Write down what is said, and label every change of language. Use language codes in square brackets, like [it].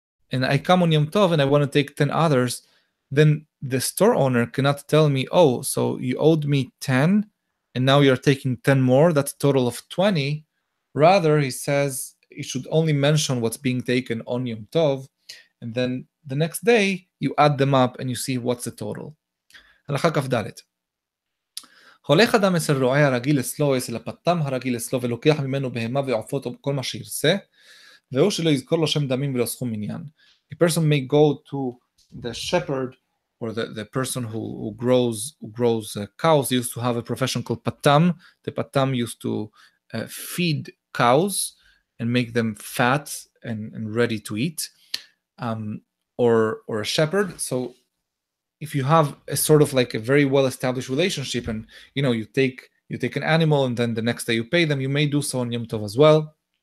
[en] and I come on Yom Tov and I want to take 10 others, then the store owner cannot tell me, oh, so you owed me 10, and now you're taking 10 more, that's a total of 20. Rather, he says, you should only mention what's being taken on Yom Tov, and then the next day, you add them up and you see what's the total. [he] Halakha Kaf Dalet. הולך אדם אצל רועי הרגיל אצלו, אצל הפתם הרגיל אצלו, ולוקח ממנו בהמה ועופות כל מה שירצה, והוא שלא יזכור לו שם דמים ולא סכום מניין. [en] A person may go to the shepherd or the person who grows cows used to have a profession called patam. The patam used to feed cows and make them fat and ready to eat, or a shepherd. So if you have a sort of like a very well-established relationship, and you know, you take an animal and then the next day you pay them, you may do so on Yom Tov as well.